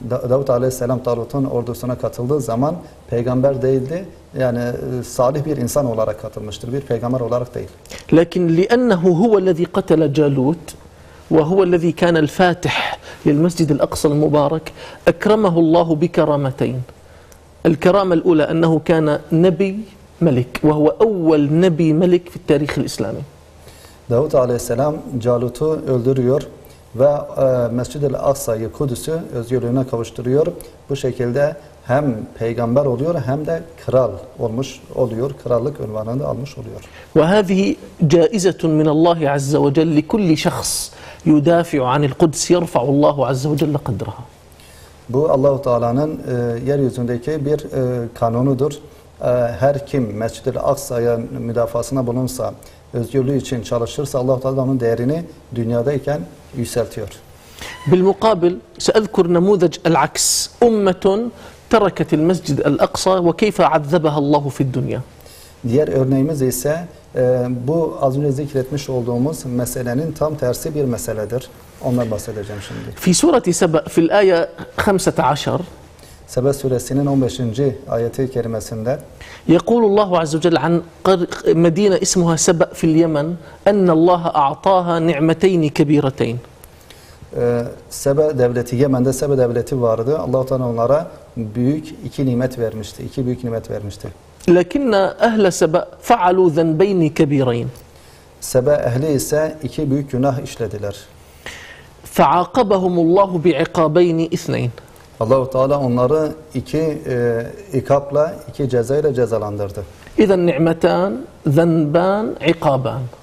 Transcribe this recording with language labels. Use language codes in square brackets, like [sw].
[tr] Davud Aleyhisselam Talut'un ordusuna katıldığı zaman peygamber değildi. Yani salih bir insan olarak katılmıştır. Bir peygamber olarak değil. [ar] لكن لأنه هو الذي قتل جالوت وهو الذي كان الفاتح للمسجد الأقصى المبارك أكرمه الله بكرامتين. الكرامة الأولى أنه كان نبي ملك وهو أول نبي ملك في التاريخ الإسلامي. [tr] داود عليه السلام جالوت'u öldürüyor ve Mescid-i Aksa'yı Kudüs'ü özgürlüğüne kavuşturuyor. Bu şekilde hem peygamber oluyor hem de kral olmuş oluyor. Krallık unvanını almış oluyor. [ar] وهذه جائزة من الله عز وجل لكل شخص يدافع عن القدس يرفع الله عز وجل قدرها. [tr] Bu Allahu Teala'nın yeryüzündeki bir kanunudur. Her kim Mescid-i Aksa'ya müdafasına bulunsa, özgürlüğü için çalışırsa Allahu Teala onun değerini dünyadayken yükseltiyor. [ar] بالمقابل سأذكر نموذج العكس أمة تركت المسجد الأقصى وكيف عذبها الله في الدنيا. [tr] Diğer örneğimiz ise bu az önce zikretmiş olduğumuz meselenin tam tersi bir meseledir. Ondan bahsedeceğim şimdi. [ar] في سورة سبأ في الآية 15 [tr] Sebe suresinin 15. ayeti kerimesinde [ar] يقول الله عز وجل عن مدينة اسمها سبأ في اليمن أن الله أعطاها نعمتين كبيرتين. [tr] Sebe devleti Yemen'de Sebe devleti vardı. Allah-u Teala onlara büyük iki nimet vermişti. İki büyük nimet vermişti. [ar] لكن أهل سبأ فعلوا ذنبين كبيرين. [tr] سبأ أهلي ise iki büyük günah işlediler. [ar] فعاقبهم الله بعقابين اثنين. [tr] Allah-u Teala onları iki ikabla, iki cezayla cezalandırdı. [ar] İzen ni'metan, zenban, ikaban.